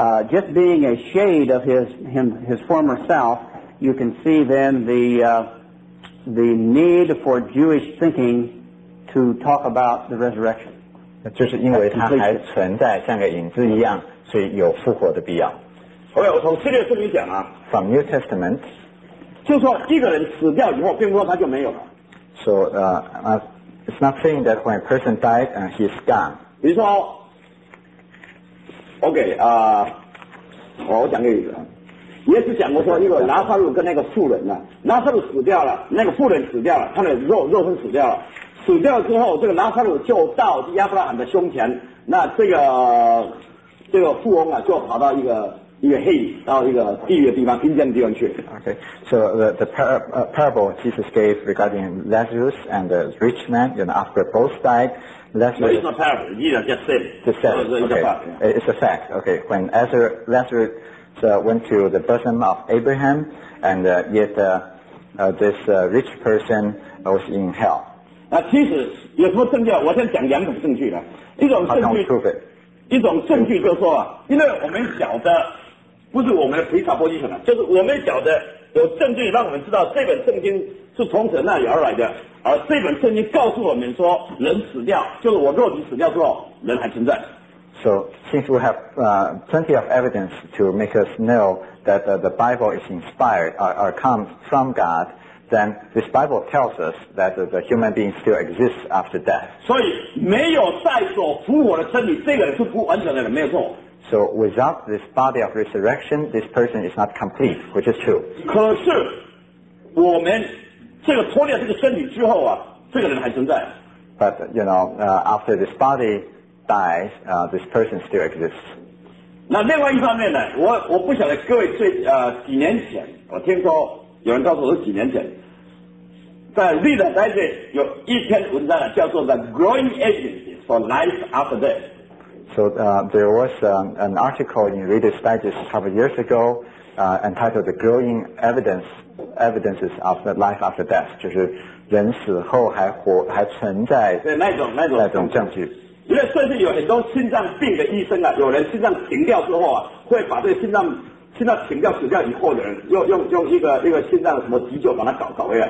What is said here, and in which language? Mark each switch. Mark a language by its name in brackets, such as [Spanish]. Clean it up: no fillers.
[English] Just being a shade of his former self, you can see then the need for Jewish thinking to talk about the resurrection. [Chinese] 就是因为他还存在，像个影子一样，所以有复活的必要。我从这个圣经讲啊， [English] From New Testament, [Chinese] 就是说一个人死掉以后，并不说他就没有了。 [English] So it's not saying that when a person died and he's gone. [Chinese] 比如说 OK 我讲给你的，也是讲过说，一个拿撒路跟那个妇人呐、啊，拿撒路死掉了，那个妇人死掉了，他的肉身死掉了，死掉之后，这个拿撒路就到亚伯拉罕的胸前，那这个富翁啊，就跑到一个黑，到一个地狱的地方，阴间的地方去。 [English] Okay, so the parable Jesus gave regarding Lazarus and the rich man, you know, after both died. Lazarus, no, it's not parable. You just said it. Just said it. Okay. It's a fact. Okay. When Lazarus went to the bosom of Abraham, and yet this rich person was in hell. [Chinese] 那其实有什么证据啊？我先讲两种证据的。一种证据，一种证据就是说，因为我们晓得，不是我们的position，就是我们晓得有证据让我们知道这本圣经。是从神那里而来的，而这本圣经告诉我们说，人死掉，就是我肉体死掉之后，人还存在。 So [English] since we have plenty of evidence to make us know that the Bible is inspired, are come from God, then this Bible tells us that the human being still exists after death. [Chinese] 所以没有在所复活的身体，这个人是不完整的人，没有错。 [English] So without this body of resurrection, this person is not complete, which is true. [Chinese] 可是我们这个脱离这个身体之后啊，这个人还存在。 [English] But you know, after this body dies, this person still exists. [Chinese] 那另外一方面呢，我不晓得各位最几年前，我听说有人告诉我是几年前，在《历代杂志》有一篇文章叫做《The Growing Agency for Life After Death》。 [English] So there was an article in Reader's Digest a couple of years ago entitled The Growing Evidences of the Life After Death, 就是人死后还存在 [Chinese] 那种证据。因为甚至有很多心脏病的医生啊，有人心脏停掉之后啊，会把这个心脏停掉死掉以后的人用一个心脏什么急救把它搞回来。